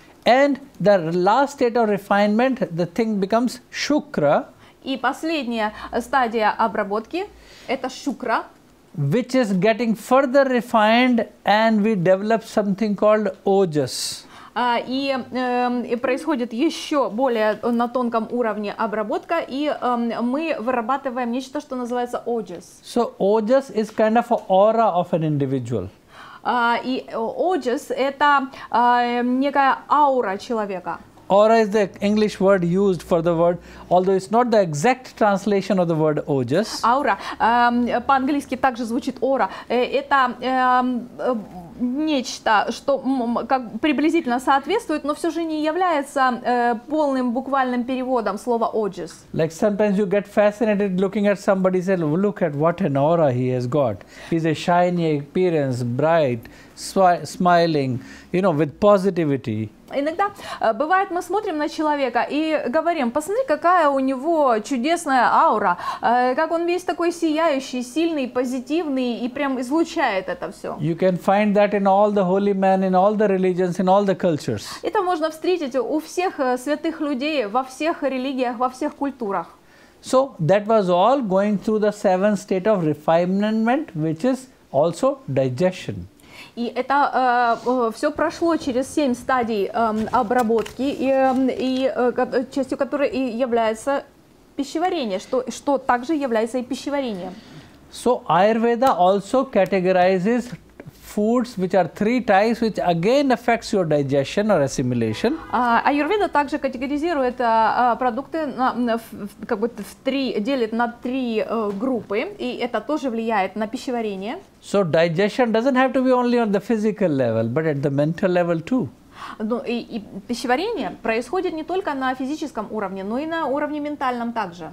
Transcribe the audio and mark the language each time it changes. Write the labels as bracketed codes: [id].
[en] And the last state of refinement, the thing becomes shukra. [ru] И последняя стадия обработки – это шукра. [en] Which is getting further refined and we develop something called ojas. [ru] и происходит еще более на тонком уровне обработка, и мы вырабатываем нечто, что называется ojas. [en] So ojas is kind of an aura of an individual. [ru] И ojas это некая аура человека. [en] Aura is the English word used for the word, although it's not the exact translation of the word ojas. Aura. [ru] По-английски также звучит aura. Это нечто, что как приблизительно соответствует, но все же не является полным буквальным переводом слова ojas. [en] Like sometimes you get fascinated looking at somebody, say, look at what an aura he has got. He's a shiny appearance, bright, smiling, you know, with positivity. [ru] Иногда бывает, мы смотрим на человека и говорим, посмотри, какая у него чудесная аура, как он весь такой сияющий, сильный, позитивный и прям излучает это все. [en] You can find that in all the holy men, in all the religions, in all the cultures. [ru] Это можно встретить у всех святых людей, во всех религиях, во всех культурах. [en] So that was all going through the seventh state of refinement, which is also digestion. [ru] И это все прошло через 7 стадий обработки, и частью которой и является пищеварение, что также является и пищеварением. [en] So Ayurveda also categorizes foods which are three types, which again affects your digestion or assimilation. [ru] Аюрведа также категоризирует продукты на три группы, и это тоже влияет на пищеварение. [en] So digestion doesn't have to be only on the physical level, but at the mental level too. [ru] Ну и пищеварение происходит не только на физическом уровне, но и на уровне ментальном также.